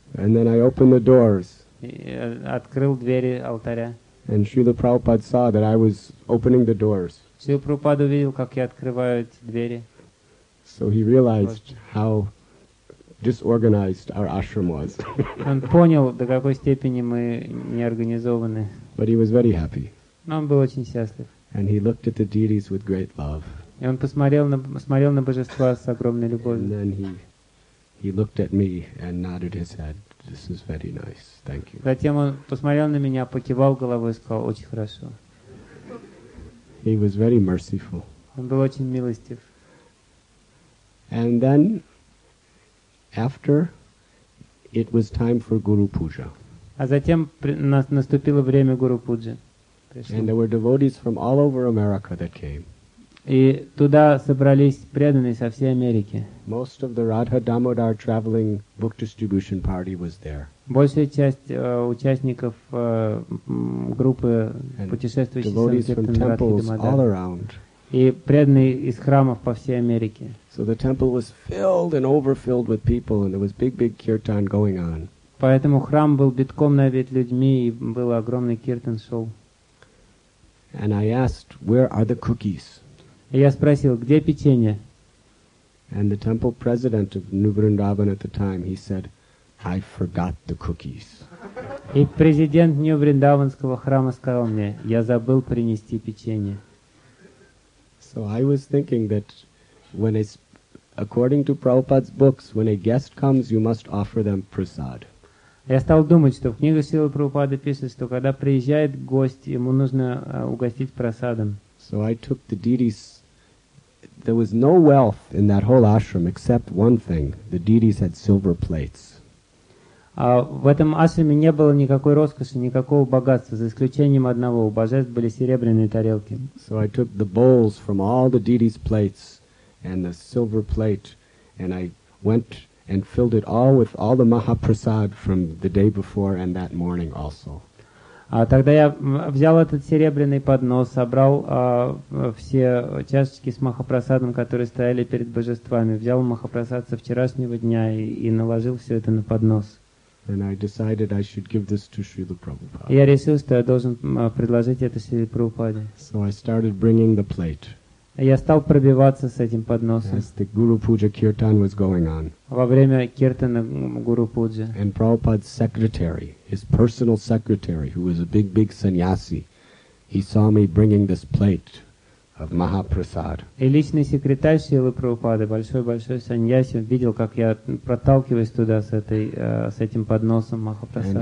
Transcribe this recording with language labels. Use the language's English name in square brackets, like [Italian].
[English] And then I opened the doors. [Russian] Открыл двери алтаря. [English] And Srila Prabhupada saw that I was opening the doors. [Russian] Srila Prabhupada увидел, как я открываю эти двери. [English] So he realized how disorganized our ashram was. [Russian] Он понял, до какой степени мы неорганизованы. [English] But he was very happy. [Russian] Но он был очень счастлив. [English] And he looked at the deities with great love. [Russian] И он посмотрел на божества с огромной любовью. [English] And then he looked at me and nodded his head. This is very nice. Thank you. [Russian] Затем он посмотрел на меня, покивал головой и сказал: "Очень хорошо". [English] He was very merciful. [Russian] Он был очень милостив. [English] And then, after, it was time for Guru Puja. [Russian] А затем наступило время Гуру Пуджи. [English] And there were devotees from all over America that came. [Russian] И туда собрались преданные со всей Америки. [English] Most of the Radha Damodar traveling book distribution party was there. [Russian] Большая часть участников группы путешествующих Радха Дамодар. И преданные из храмов по всей Америке. [English] So the temple was filled and overfilled with people, and there was big kirtan going on. [Russian] Поэтому храм был битком набит людьми, и был огромный киртан шоу. [English] And I asked, where are the cookies? [Russian] И я спросил, где печенье? [English] And the temple president of New Vrindavan at the time, he said, I forgot the cookies. [Russian] И президент Нью-Вриндаванского храма сказал мне, я забыл принести печенье. [English] So I was thinking that when it's according to Prabhupada's books, when a guest comes, you must offer them prasad. [Russian] Я стал думать, что в книгах Шрилы Прабхупады пишется, что когда приезжает гость, ему нужно угостить прасадом. [English] So I took the deities. There was no wealth in that whole ashram except one thing. The deities had silver plates. [Russian] В этом ашраме не было никакой роскоши, никакого богатства, за исключением одного. У божеств были серебряные тарелки. [English] So I took the bowls from all the deities' plates and the silver plate, and I went and filled it all with all the Mahaprasad from the day before and that morning also. [Russian] Тогда я взял этот серебряный поднос, собрал все чашечки с Махапрасадом, которые стояли перед божествами, взял Махапрасад со вчерашнего дня и наложил все это на поднос. [English] And I decided I should give this to Srila Prabhupada. [Russian] Я решил, что я должен предложить это Шриле Прабхупаде. [English] So I started bringing the plate. [Russian] Я стал пробиваться с этим подносом. [English] As the Guru Puja Kirtan was going on. [Russian] Во время киртана Гуру Пуджа. [English] And Prabhupada's secretary, his personal secretary, who was a big sannyasi, he saw me bringing this plate of Mahaprasad. [Russian] И личный секретарь Шрилы Прабхупады, большой саньяси, видел, как я проталкиваюсь туда с этим подносом Махапрасада.